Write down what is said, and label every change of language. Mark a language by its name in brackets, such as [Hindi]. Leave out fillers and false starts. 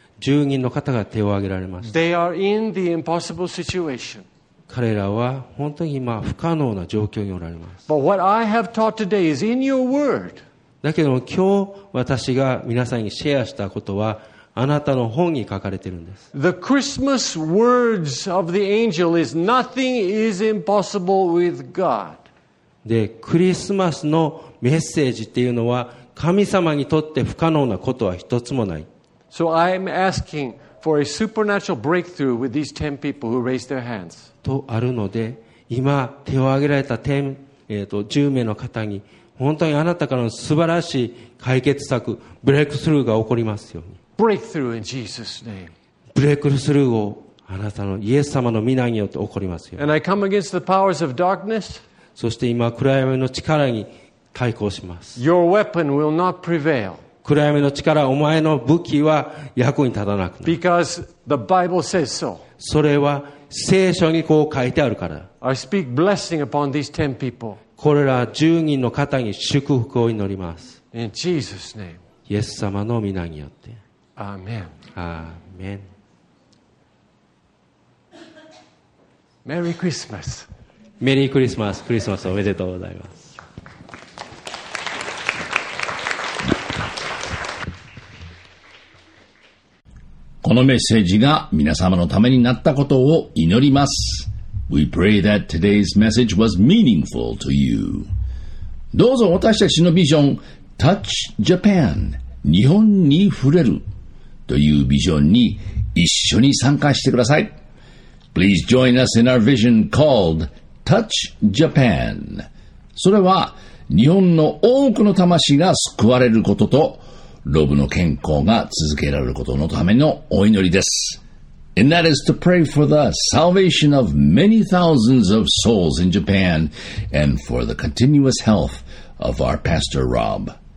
[Japanese] 10人の方が手を挙げられました。 [English] They are in the impossible situation. [Japanese] 彼らは本当に今不可能な状況におられます。だけども今日私が皆さんにシェアしたことはあなたの本に書かれているんです。 [English] The Christmas words of the angel is nothing is impossible with God. [Japanese] で、クリスマスのメッセージっていうのは神様にとって不可能なことは一つもない。 [English] So I'm asking for a supernatural breakthrough with these 10 people who raised their hands. [Japanese] とあるので今手を挙げられた10名の方に本当にあなたからの素晴らしい解決策ブレイクスルーが起こりますように。 [English] ブレイクスルー in Jesus name. [Japanese] ブレイクスルーをあなたのイエス様の御名によって起こりますように。 [English] And I come against the powers of darkness. [Japanese] そして今暗闇の力に対抗します。 [English] Your weapon will not prevail. [Japanese] 暗闇の力、お前の武器は役に立たなくなる。 [English] Because the Bible says so. [Japanese] それは聖書にこう書いてあるから。 [English] I speak blessing upon these ten people. [Japanese] これら10人の方に祝福を祈ります。 [English] In Jesus name. [Japanese] イエス様の御名によって。 [English] Amen. Amen. Merry Christmas. Merry Christmas. [Japanese] クリスマスおめでとうございます。このメッセージが皆様のためになったことを祈ります。 [English] We pray that today's message was meaningful to you. [Japanese] どうぞ私たちのビジョン、Touch Japan、日本に触れるというビジョンに一緒に参加してください。 [English] Please join us in our vision called Touch Japan. [Japanese] それは日本の多くの魂が救われることと、ロブの健康が続けられることのためのお祈りです。 [English] And that is to pray for the salvation of many thousands of souls in Japan and for the continuous health of our Pastor Rob.